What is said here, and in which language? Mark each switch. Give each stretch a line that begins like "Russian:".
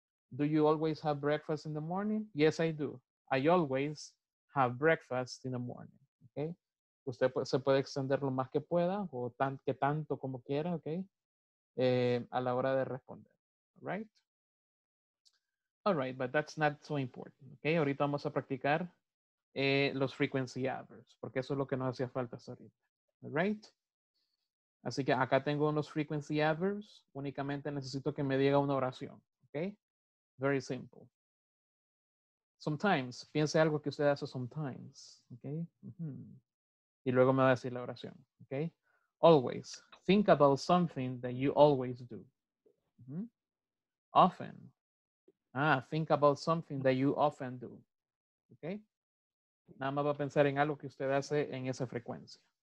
English: Do you always have breakfast in the morning? Yes, I do. I always have breakfast in the morning. Okay?
Spanish: Usted se puede extender lo más que pueda, o tanto como quiera, okay? A la hora de responder.
English: Right? All right, but that's not so important. Okay?
Spanish: Ahorita vamos a practicar. Los frequency adverbs, porque eso es lo que nos hacía falta ahorita. Right? Así que acá tengo unos frequency adverbs. Únicamente necesito que me diga una oración. Okay?
English: Very simple.
Spanish: Sometimes, piense algo que usted hace sometimes, okay? Mm-hmm. Y luego me va a decir la oración, okay?
English: Always, think about something that you always do. Mm-hmm. Often, think about something that you often do, okay?
Spanish: Nada más va a pensar en algo que usted hace en esa frecuencia.